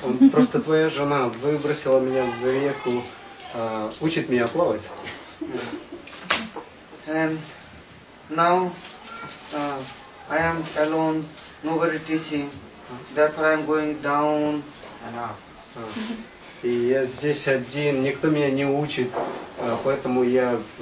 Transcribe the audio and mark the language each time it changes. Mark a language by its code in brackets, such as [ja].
[ru] Просто твоя жена выбросила меня в реку, учит меня плавать. [en] And now I am alone, nobody teaching. Therefore I am going down and up. [ru] и я здесь один, никто меня не учит, поэтому я